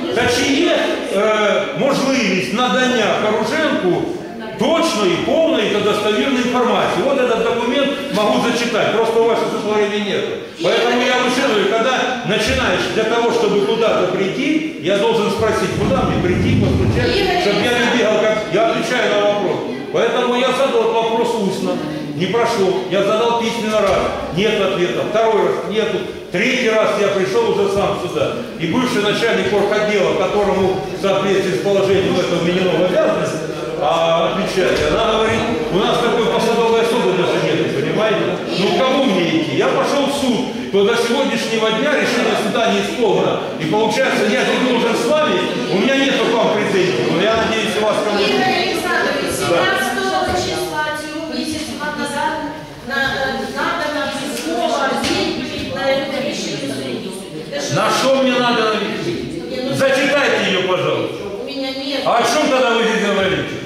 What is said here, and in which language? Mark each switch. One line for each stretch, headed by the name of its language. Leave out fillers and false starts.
Ukrainian: Та чи є можливість надання Порошенку точної, повної та достовірної інформації? От цей документ можу зачитати, просто у вас у створенні немає. Тому я вичитую, коли починаєш для того, щоб куди-то прийти,
Russian: я должен спросити,
Ukrainian: куди мені прийти, постучати, щоб я не бігав, як я відповідаю на вопрос.
Russian: Поэтому я задал вопрос устно, не прошел. Я задал письменно раз, нет ответа. Второй раз нету. Третий раз я пришел уже сам сюда. И бывший начальник орготдела, которому в соответствии с положением этого вменено в обязанность, отвечает, она говорит, у нас такой посадовой особенности нет, понимаете? Ну, кому мне идти? Я пошел в суд, то до сегодняшнего дня решение суда не исполнено. И получается, я здесь должен с вами, у меня нет к вам претензий, но я надеюсь, у вас кому-то...
Ukrainian: 17 числа цього місяця, два назад, надана письмова відповідь на це рішення суду. На що мені треба відповідь? Зачитайте її, будь ласка. А о чому тоді ви тут говорите?